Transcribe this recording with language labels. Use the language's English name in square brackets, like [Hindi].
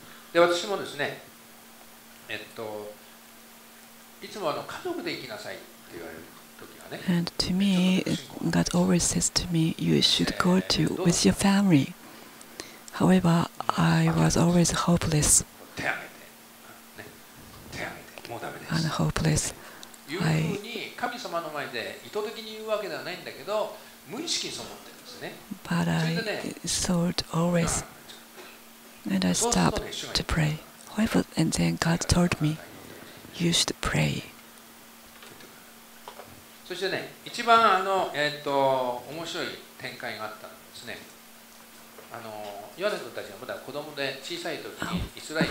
[English] で私もですね、いつも家族で行きなさいって言われる時はね。 And to me, God always says to me, you should go to with your family. However, I was always hopeless. [Japanese] 手挙げて、ね、手挙げて、もうダメです。 [English] And hopeless. [Japanese] いうふうに神様の前で意図的に言うわけではないんだけど、無意識にそう思って。 [English] But I thought always, and I stopped to pray. However, and then God told me, you should pray. [Japanese] そしてね、一番面白い展開があったんですね。ヨハネ君たちはまだ子供で小さい時にイスラエル。